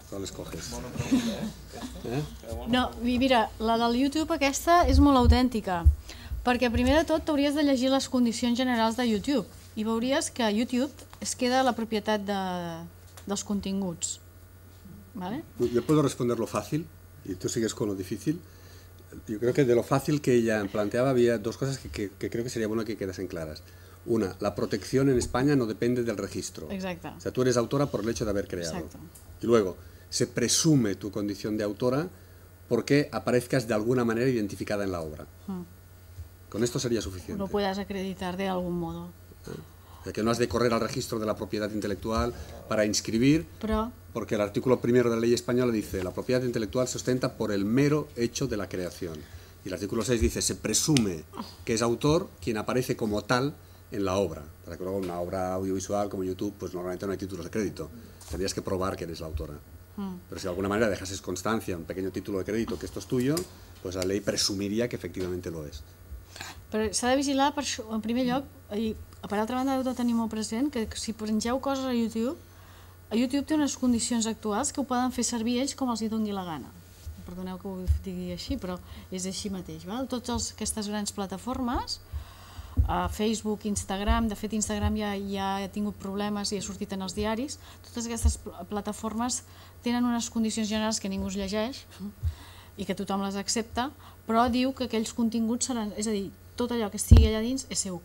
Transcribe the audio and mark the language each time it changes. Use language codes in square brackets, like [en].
[ca] Com les coges? No, mira, la del YouTube aquesta és molt autèntica, perquè primer de tot t'hauries de llegir les condicions generals de YouTube i veuries que YouTube es queda la propietat dels continguts. [es] ¿Vale? Yo puedo responder lo fácil y tú sigues con lo difícil. Yo creo que de lo fácil que ella planteaba había dos cosas que creo que sería bueno que quedasen claras. Una, la protección en España no depende del registro. Exacto. O sea, tú eres autora por el hecho de haber creado. Exacto. Y luego, se presume tu condición de autora porque aparezcas de alguna manera identificada en la obra. Con esto sería suficiente. Lo puedas acreditar de algún modo. O sea, que no has de correr al registro de la propiedad intelectual para inscribir, pero... porque el artículo primero de la ley española dice la propiedad intelectual se ostenta por el mero hecho de la creación. Y el artículo 6 dice se presume que es autor quien aparece como tal en la obra. Para que luego una obra audiovisual como YouTube, pues normalmente no hay títulos de crédito. Tendrías que probar que eres la autora. Pero si de alguna manera dejases constancia, un pequeño título de crédito, que esto es tuyo, pues la ley presumiría que efectivamente lo es. [ca] Però s'ha de vigilar, per això, en primer lloc, i per altra banda heu de tenir molt present que si pengeu coses a YouTube té unes condicions actuals que ho poden fer servir ells com els hi doni la gana. Perdoneu que ho digui així, però és així mateix. Val? Totes aquestes grans plataformes, Facebook, Instagram, de fet Instagram ja ha tingut problemes i ha sortit en els diaris, totes aquestes plataformes tenen unes condicions generals que ningú es llegeix i que tothom les accepta, però diu que aquells continguts seran, és a dir, tot allò que estigui allà dins és seu.